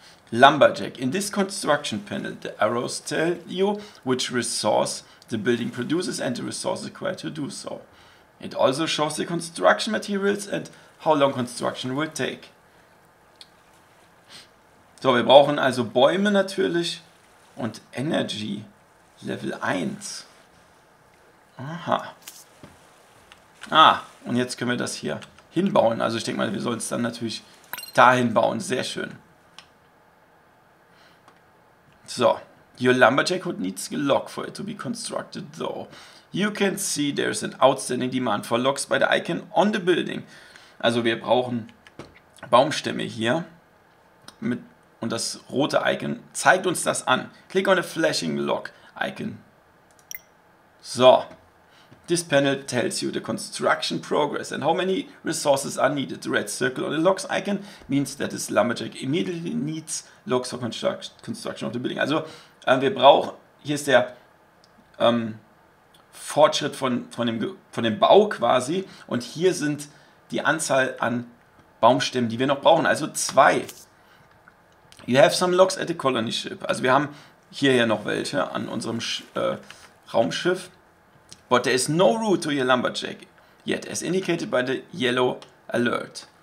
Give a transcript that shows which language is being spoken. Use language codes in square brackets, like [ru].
[en] Lumberjack, in this construction panel, the arrows tell you which resource the building produces and the resource required to do so. It also shows the construction materials and how long construction will take. [de] So, wir brauchen also Bäume natürlich und Energy Level 1. Aha. Ah, und jetzt können wir das hier hinbauen. Also ich denke mal, wir sollen es dann natürlich dahin bauen. Sehr schön. [en] So, your lumberjack hood needs a lock for it to be constructed, though. You can see there's an outstanding demand for locks by the icon on the building. [de] Also wir brauchen Baumstämme hier mit, und das rote Icon zeigt uns das an. [en] Click on the flashing lock icon. So, this panel tells you the construction progress and how many resources are needed. The red circle on the locks icon means that this lumberjack immediately needs locks for construction of the building. [de] Also wir brauchen, hier ist der Fortschritt von dem Bau quasi und hier sind die Anzahl an Baumstämmen, die wir noch brauchen, also zwei. [en] You have some locks at the colony ship. [de] Also wir haben hier ja noch welche an unserem Raumschiff. [en] But there is no route to your lumberjack yet, as indicated by the yellow alert.